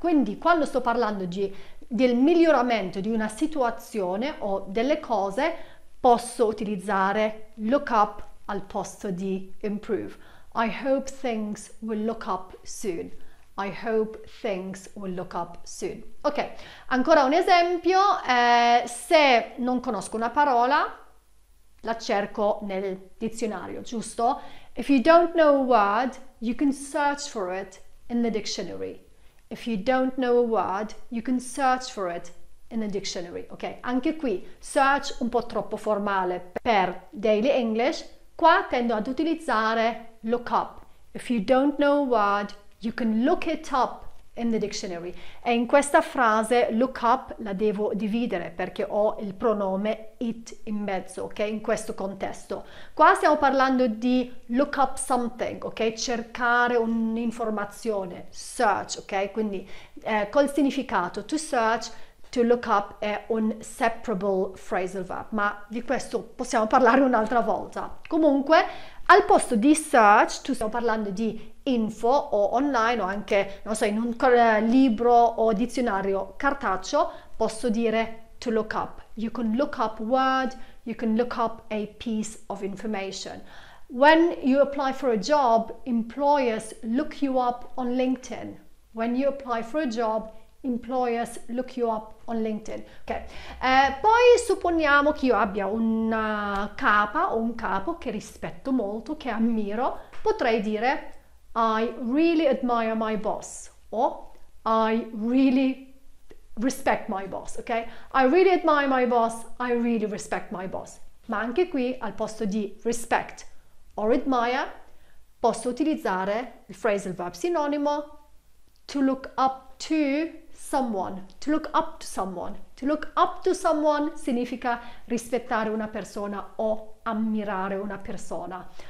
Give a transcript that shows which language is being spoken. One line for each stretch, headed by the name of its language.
Italian: Quindi, quando sto parlando del miglioramento di una situazione o delle cose, posso utilizzare look up al posto di improve.
English: I hope things will look up soon. I hope things will look up soon.
Italian: Ok, ancora un esempio, se non conosco una parola, la cerco nel dizionario, giusto?
English: If you don't know a word, you can search for it in the dictionary. If you don't know a word, you can search for it in the dictionary.
Italian: Ok, anche qui, search un po' troppo formale per Daily English, qua tendo ad utilizzare look up.
English: If you don't know a word, you can look it up in the dictionary.
Italian: E in questa frase look up la devo dividere perché ho il pronome it in mezzo, ok? In questo contesto. Qua stiamo parlando di look up something, ok? Cercare un'informazione, search, ok? Quindi col significato to search, to look up è un separable phrasal verb, ma di questo possiamo parlare un'altra volta. Comunque, al posto di search, tu stiamo parlando di info o online o anche, non so, in un libro o dizionario cartaceo, posso dire to look up.
English: You can look up word, you can look up a piece of information. When you apply for a job, employers look you up on LinkedIn. When you apply for a job, employers look you up on LinkedIn.
Italian: Ok, poi supponiamo che io abbia una capa o un capo che rispetto molto, che ammiro, potrei dire I really admire my boss o I really respect my boss.
English: Ok, I really admire my boss, I really respect my boss.
Italian: Ma anche qui al posto di respect o admire posso utilizzare il phrasal verb sinonimo to look up to someone, to look up to someone. To look up to someone significa rispettare una persona o ammirare una persona.